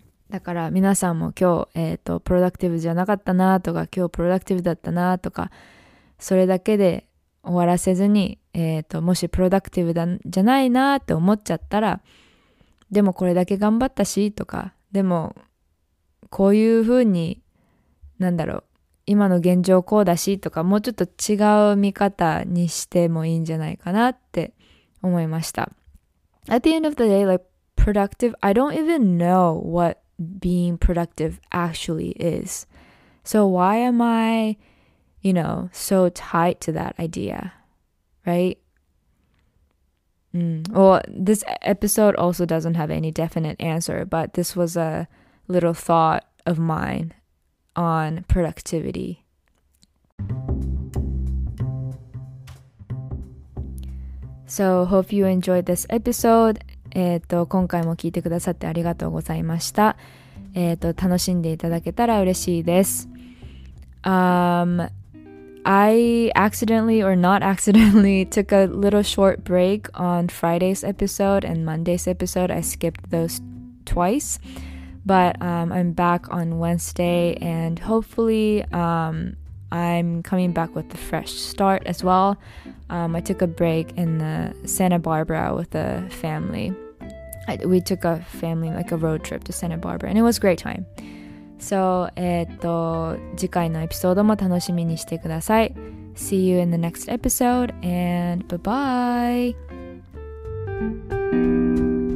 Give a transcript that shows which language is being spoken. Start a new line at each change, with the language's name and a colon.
Japanese: だから皆さんも今日、プロダクティブじゃなかったなとか、今日プロダクティブだったなとか、それだけで終わらせずに、もしプロダクティブだじゃないなって思っちゃったら、でもこれだけ頑張ったしとか、でもこういうふうに、なんだろう、今の現状こうだしとか、もうちょっと違う見方にしてもいいんじゃないかなって思いました。
English: At the end of the day, like, productive, I don't even know what being productive actually is. So why am I, you know, so tied to that idea, right? Well, this episode also doesn't have any definite answer, but this was aLittle thought of mine on productivity. So, hope you enjoyed this episode.
Japanese: 今回も聞いてくださってありがとうございました。楽しんでいただけたら嬉しいです。
English: I accidentally or not accidentally took a little short break on Friday's episode and Monday's episode. I skipped those twice. But I'm back on Wednesday, and hopefully I'm coming back with a fresh start as well. I took a break in the Santa Barbara with the family. We took a family, like a road trip to Santa Barbara, and it was a great time.
Japanese: So, 次回のエピソードも楽しみにしてください。
English: See you in the next episode, and bye-bye!